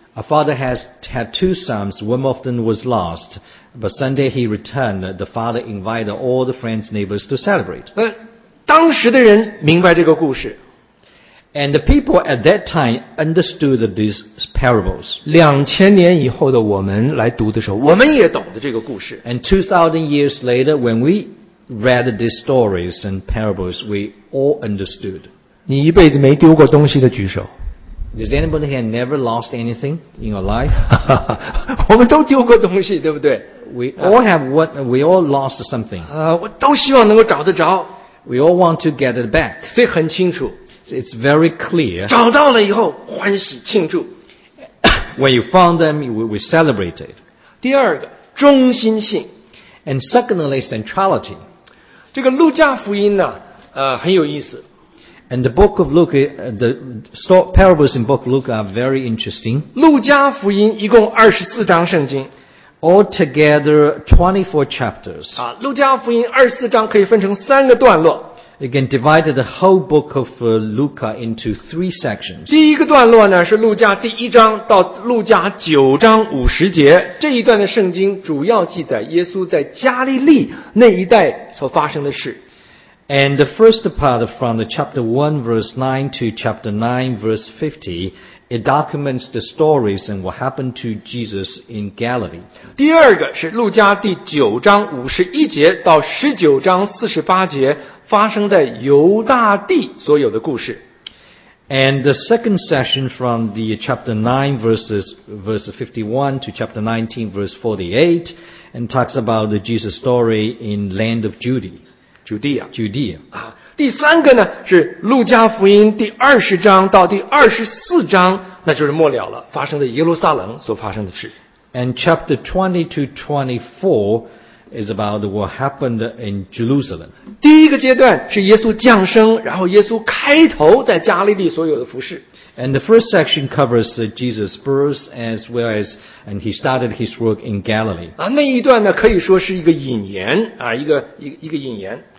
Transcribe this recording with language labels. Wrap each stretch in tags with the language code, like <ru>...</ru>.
<en>A father has had two sons, one of them was lost, but Sunday he returned, the father invited all the friends, neighbors to celebrate.</en> <zh>当时的人明白这个故事。</zh> <en>And the people at that time understood these parables.</en> <zh>2000年以后的我们来读的时候，我们也懂得这个故事。</zh> <en>And 2000 years later, when we read these stories and parables, we all understood.</en> <zh>你一辈子没丢过东西的举手。</zh> <en>Does anybody here never lost anything in your life?</en> <zh>我们都丢过东西，对不对？</zh> <en>We all lost something.</en> <zh>我都希望能够找得着。</zh> <en>We all want to get it back.</en> <zh>所以很清楚。</zh> <en>It's very clear.</en> <zh>找到了以后欢喜庆祝。</zh> <en>When you found them, we celebrated.</en> <zh>第二个，中心性。</zh> <en>And secondly, centrality.</en> <zh>这个路加福音呢，很有意思。</zh> <en>And the book of Luke, the parables in book of Luke are very interesting.</en> <zh>路加福音一共24章圣经。</zh> <en>Altogether 24 chapters.</en> <zh>啊，路加福音24章可以分成三个段落。</zh> <en>You can divide the whole book of Luke into three sections.</en> <zh>第一个段落呢，是路加第一章到路加九章五十节。这一段的圣经主要记载耶稣在加利利那一带所发生的事。</zh> <en>And the first part from the chapter 1 verse 9 to chapter 9 verse 50, it documents the stories and what happened to Jesus in Galilee.</en> <zh>第二个是路加第九章五十一节到十九章四十八节发生在犹大地所有的故事。</zh> <en>And the second session from the chapter 9 verse 51 to chapter 19 verse 48 and talks about the Jesus story in land of Judea. Judea.</en> <zh>啊，第三个呢是路加福音第二十章到第二十四章，那就是末了了，发生在耶路撒冷所发生的事。</zh> <en>And chapter 20 to 24 is about what happened in Jerusalem.</en> <zh>第一个阶段是耶稣降生，然后耶稣开头在加利利所有的服事。</zh> <en>And the first section covers Jesus' birth as well as and he started his work in Galilee.</en> <zh>啊，那一段呢可以说是一个引言啊，一个引言。</zh>